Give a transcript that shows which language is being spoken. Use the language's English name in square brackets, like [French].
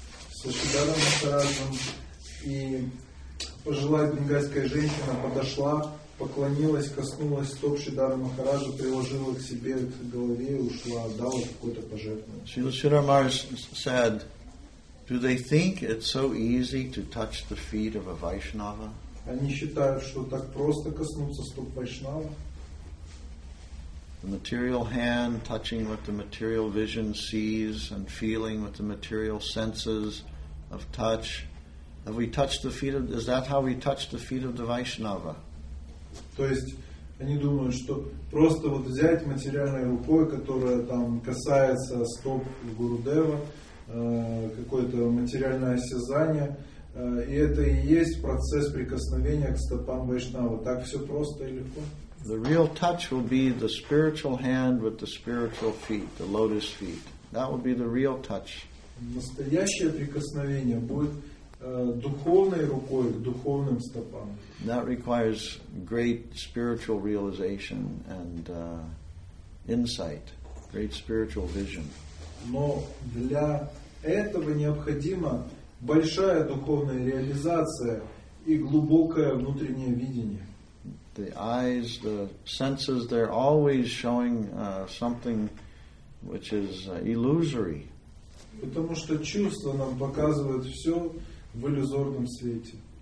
[Russian] Со Шридхаром Махараджем и пожилая бенгальская женщина подошла, поклонилась, коснулась стоп Шридхара Махараджа, приложила к себе к голове и ушла, отдала какое-то пожертвование. [English] Шрила Шридхар said, do they think it's so easy to touch the feet of a Vaishnava? [Russian] Они считают, что так просто коснуться стоп Вайшнава? [English] The material hand touching what the material vision sees and feeling with the material senses of touch. Have we touched the feet of? Is that how we touch the feet of the Vaishnava? [Russian] То есть они думают, что просто вот взять материальной рукой, которая там касается стоп Гурудева, какое-то материальное осязание, и это и есть процесс прикосновения к стопам Вайшнава. Так все просто и легко? [English] The real touch will be the spiritual hand with the spiritual feet, the lotus feet. That will be the real touch. [Russian] Настоящее прикосновение будет духовной рукой к духовным стопам. [English] That requires great spiritual realization and insight, great spiritual vision. [Russian] Но для этого необходима большая духовная реализация и глубокое внутреннее видение. [English] The eyes, the senses, they're always showing something which is illusory. [Russian] Потому что чувства нам показывают все в иллюзорном свете.